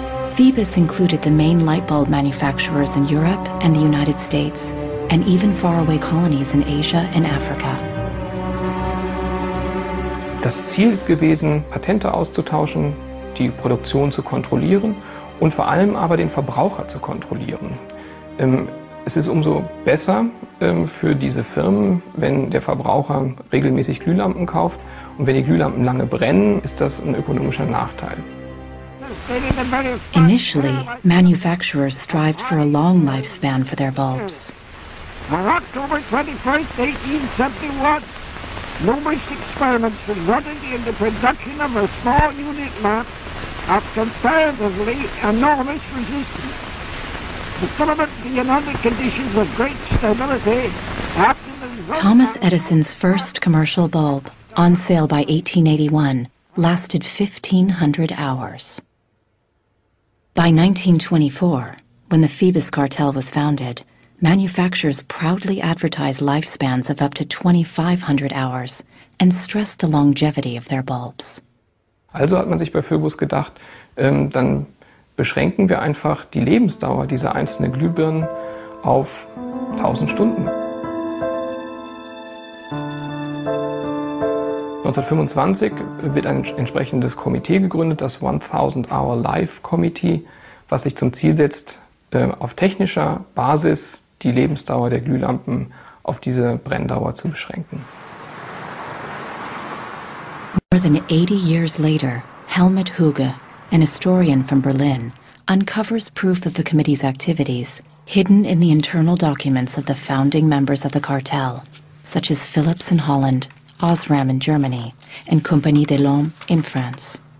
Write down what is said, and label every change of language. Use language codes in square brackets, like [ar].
[en] Phoebus included the main light bulb manufacturers in Europe and the United States and even faraway colonies in Asia and Africa. [de] Das Ziel ist gewesen, Patente auszutauschen, die Produktion zu kontrollieren und vor allem aber den Verbraucher zu kontrollieren. Es ist umso besser für diese Firmen, wenn der Verbraucher regelmäßig Glühlampen kauft. Und wenn die Glühlampen lange brennen, ist das ein ökonomischer Nachteil. [en] Initially, manufacturers strived for a long lifespan for their bulbs. On October 21st, 1871, numerous experiments resulted in the production of a small unit lamp of comparatively enormous resistance. The filament being under conditions of great stability after the... Thomas Edison's first commercial bulb, on sale by 1881, lasted 1,500 hours. By 1924, when the Phoebus cartel was founded, manufacturers proudly advertised lifespans of up to 2,500 hours and stressed the longevity of their bulbs. [de] Also hat man sich bei Phoebus gedacht, dann beschränken wir einfach die Lebensdauer dieser einzelnen Glühbirnen auf 1,000 Stunden. 1925 wird ein entsprechendes Komitee gegründet, das 1,000 Hour Life Committee, was sich zum Ziel setzt, auf technischer Basis die Lebensdauer der Glühlampen auf diese Brenndauer zu beschränken. [en] More than 80 years later, Helmut Hüge, an historian from Berlin, uncovers proof of the committee's activities hidden in the internal documents of the founding members of the cartel, such as Philips in Holland, Osram in Germany and Compagnie des Lampes in France.